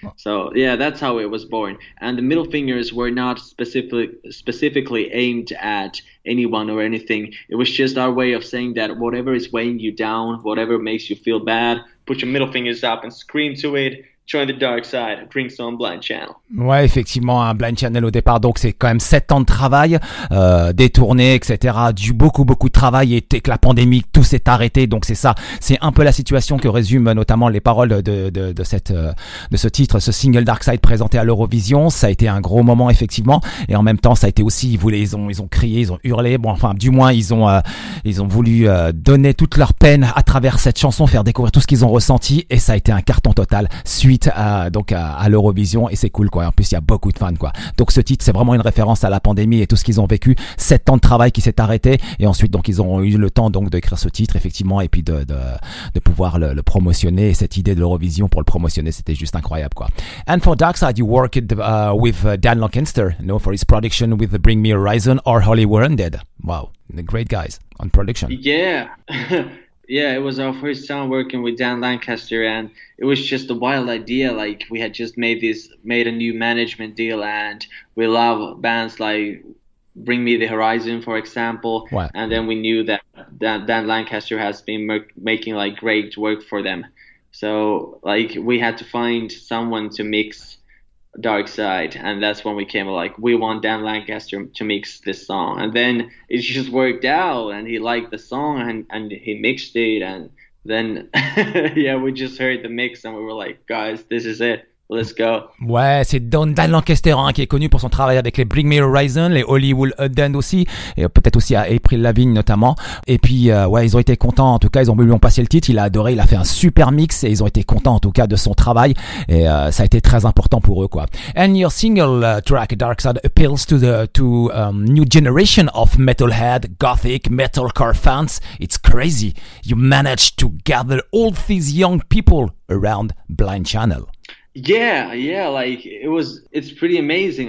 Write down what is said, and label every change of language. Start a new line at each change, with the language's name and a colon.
English: So yeah, that's how it was born. And the middle fingers were not specifically aimed at anyone or anything. It was just our way of saying that whatever is weighing you down, whatever makes you feel bad, put your middle fingers up and scream to it. Join the dark side, bring some Blind Channel.
French: Ouais, effectivement, un Blind Channel au départ, donc c'est quand même 7 ans de travail, des tournées, etc., du beaucoup, beaucoup de travail, et que la pandémie, tout s'est arrêté, donc c'est ça, c'est un peu la situation que résument notamment les paroles de ce titre, ce single Dark Side présenté à l'Eurovision, ça a été un gros moment, effectivement, et en même temps, ça a été aussi, ils ont crié, ils ont hurlé, bon, enfin, du moins, ils ont voulu donner toute leur peine à travers cette chanson, faire découvrir tout ce qu'ils ont ressenti, et ça a été un carton total suite à l'Eurovision, et c'est cool, quoi. En plus, il y a beaucoup de fans, quoi. Donc, ce titre, c'est vraiment une référence à la pandémie et tout ce qu'ils ont vécu. 7 ans de travail qui s'est arrêté. Et ensuite, donc, ils ont eu le temps, donc, d'écrire ce titre, effectivement, et puis de pouvoir le promotionner. Et cette idée de l'Eurovision pour le promotionner, c'était juste incroyable, quoi.
English: And for Dark Side, you worked with Dan Lancaster, you know, for his production with Bring Me Horizon or Hollywood Undead. Wow, the great guys on production. Yeah. Yeah, it was our first time working with Dan Lancaster, and it was just a wild idea. Like, we had just made a new management deal, and we love bands like Bring Me the Horizon, for example. What? And then we knew that Dan Lancaster has been making, like, great work for them. So, like, we had to find someone to mix Dark Side, and that's when we came, like, we want Dan Lancaster to mix this song, and then it just worked out, and he liked the song, and he mixed it, and then yeah, we just heard the mix and we were like, guys, this is it. Let's go.
French: Ouais, c'est Dan Lancaster, hein, qui est connu pour son travail avec les Bring Me Horizon, les Hollywood Undead aussi, et peut-être aussi à April Lavigne notamment. Et puis, ouais, ils ont été contents. En tout cas, ils ont voulu lui passer le titre. Il a adoré. Il a fait un super mix et ils ont été contents, en tout cas, de son travail. Et ça a été très important pour eux, quoi.
English: And your single track, Dark Side, appeals to the new generation of metalhead, gothic, metalcore fans. It's crazy. You managed to gather all these young people around Blind Channel. Yeah, like it's pretty amazing.